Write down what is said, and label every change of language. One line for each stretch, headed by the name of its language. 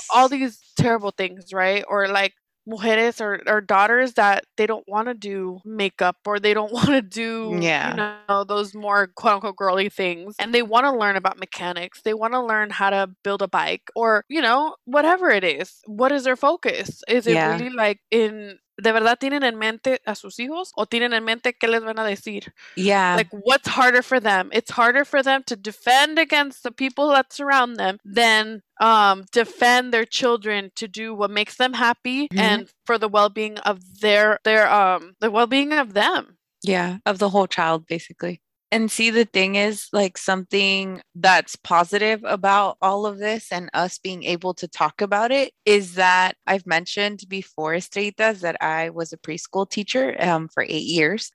English: All these terrible things, right? Or, like, mujeres or daughters that they don't want to do makeup or they don't want to do, you know, those more quote-unquote girly things. And they want to learn about mechanics. They want to learn how to build a bike or, you know, whatever it is. What is their focus? Is it really like in
Spanish: ¿De verdad tienen en mente a sus hijos? ¿O tienen en mente qué les van a decir?
English: Yeah. Like, what's harder for them? It's harder for them to defend against the people that surround them than defend their children to do what makes them happy mm-hmm. and for the well-being of the well-being of them. Yeah, of the whole child, basically. And see, the thing is, like, something that's positive about all of this and us being able to talk about it is that I've mentioned before, Estreitas, that I was a preschool teacher for 8 years.